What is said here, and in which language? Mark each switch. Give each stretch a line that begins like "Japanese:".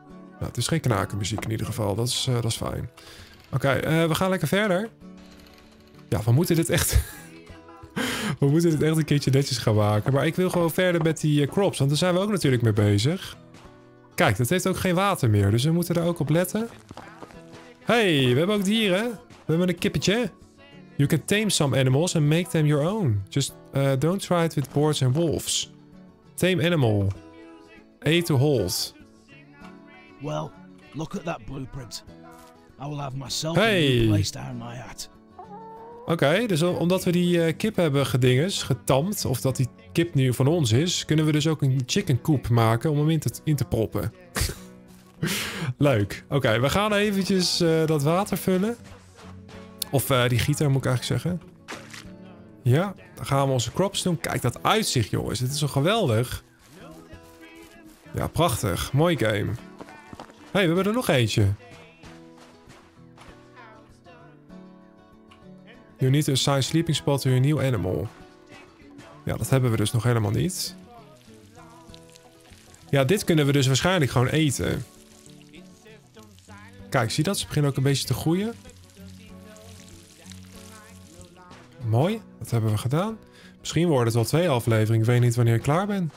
Dutch: Nou, het is geen knakenmuziek in ieder geval. Dat is fijn. Oké, we gaan lekker verder. Ja, we moeten dit echt... We moeten dit echt een keertje netjes gaan maken. Maar ik wil gewoon verder met die crops. Want daar zijn we ook natuurlijk mee bezig. Kijk, dat heeft ook geen water meer. Dus we moeten daar ook op letten. Hey, we hebben ook dieren. We hebben een kippetje.
English: You can tame some animals and make them your own. Just don't try it with boars and wolves. Tame animal. A to hold. Well, look at that blueprint. I will have myself hey. A new place down my hat.
Dutch: Oké, dus omdat we die kip hebben gedinges, getampt, of dat die kip nu van ons is, kunnen we dus ook een chicken coop maken om hem in te proppen. Leuk. Oké, we gaan eventjes dat water vullen. Of die gieter, moet ik eigenlijk zeggen. Ja, dan gaan we onze crops doen. Kijk dat uitzicht, jongens. Dit is zo geweldig. Ja, prachtig. Mooi game. Hey, we hebben er nog eentje.
English: You need to assign sleeping spot to your new animal.
Dutch: Ja, dat hebben we dus nog helemaal niet. Ja, dit kunnen we dus waarschijnlijk gewoon eten. Kijk, zie dat? Ze beginnen ook een beetje te groeien. Mooi, dat hebben we gedaan. Misschien worden het wel 2 afleveringen. Ik weet niet wanneer ik klaar ben.